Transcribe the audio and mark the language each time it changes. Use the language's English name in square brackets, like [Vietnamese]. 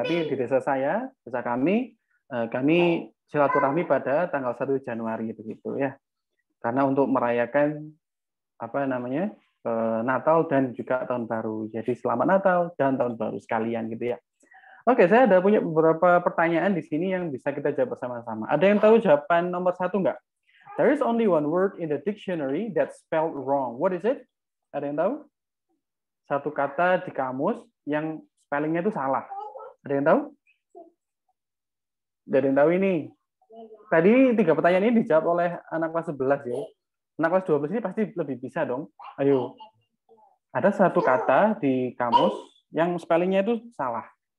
[Indonesian] Tapi di desa saya, desa kami. Kami silaturahmi pada tanggal 1 Januari begitu ya, karena untuk merayakan apa namanya Natal dan juga Tahun Baru. Jadi selamat Natal dan Tahun Baru sekalian gitu ya. Oke, saya ada punya beberapa pertanyaan di sini yang bisa kita jawab bersama-sama. Ada yang tahu jawaban nomor 1 nggak? [English] There is only one word in the dictionary that spelled wrong. What is it? [Indonesian] Ada yang tahu? Satu kata di kamus yang spellingnya itu salah. Ada yang tahu? Dari yang tahu ini. Tadi tiga pertanyaan ini dijawab oleh anak kelas 11 ya. Anak kelas 12 ini pasti lebih bisa dong. Ayo. Ada satu kata di kamus yang spellingnya itu salah.